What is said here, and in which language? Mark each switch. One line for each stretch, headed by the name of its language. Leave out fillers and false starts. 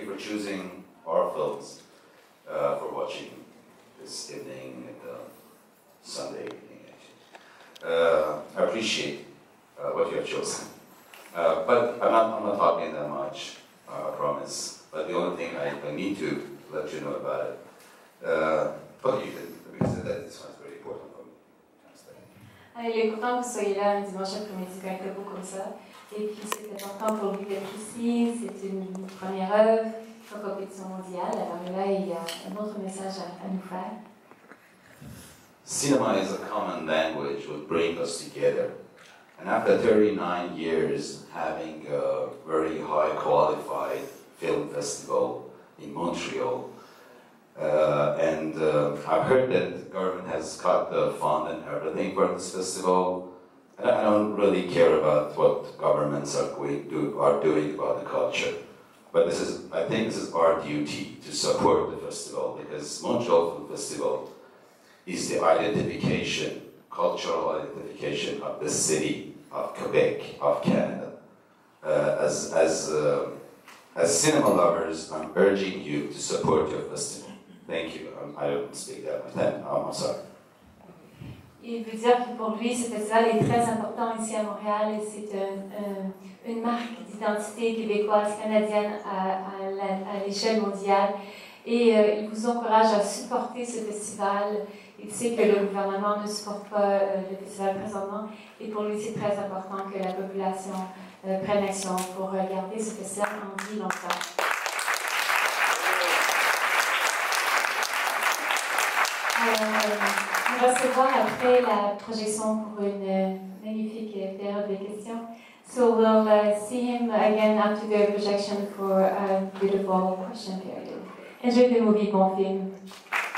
English: Choosing our films for watching this evening at the Sunday evening. I appreciate what you have chosen. But I'm not talking that much, I promise. But the only thing I need to let you know about it, but you can, let me say that this one's very important for me.
French: Il est content que vous soyez là un dimanche après-midi quand il fait beau comme ça. Et puis c'est important pour lui d'être ici, c'est une première œuvre en compétition mondiale. Alors là, il y a un autre message à nous faire.
English: Cinema is a common language which brings us together. And after 39 years having a very high qualified film festival in Montreal, I've heard that the government has cut the fund and everything for this festival. And I don't really care about what governments are doing about the culture. But I think this is our duty to support the festival, because Montreal Film Festival is the identification, cultural identification of the city of Quebec, of Canada. As cinema lovers, I'm urging you to support your festival. Thank you. I don't speak that much. I'm sorry.
French: Il veut dire que pour lui, ce festival est très important ici à Montréal et c'est une marque d'identité québécoise canadienne à l'échelle mondiale. Et il vous encourage à supporter ce festival. Il sait que le gouvernement ne supporte pas le festival présentement et pour lui, c'est très important que la population prenne action pour garder ce festival en vie longtemps. Nous recevons après la projection pour une magnifique période de questions.
English: So we'll see him again after the projection for a beautiful question period. Enjoy the movie,
French: bon film.